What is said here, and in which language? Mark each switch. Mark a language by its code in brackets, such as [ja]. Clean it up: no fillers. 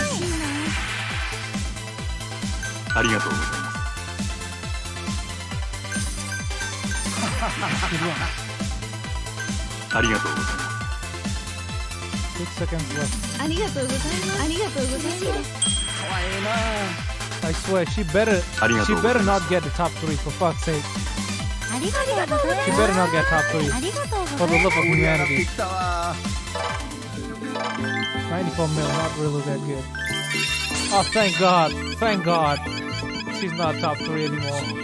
[ja] 嬉しいな。ありがとうございます。ありがとうございます。 [en] 6 seconds left. [ja] ありがとうございます。ありがとうございます。可愛いな。 [en] I swear, she better not get the top three, for fuck's sake. [ja] ありがとうございます。 [en] She better not get top three. [ja] ありがとうございます。 [en] For the love of humanity. 94 mil, not really that good. Oh, thank God. Thank God. She's not top three anymore.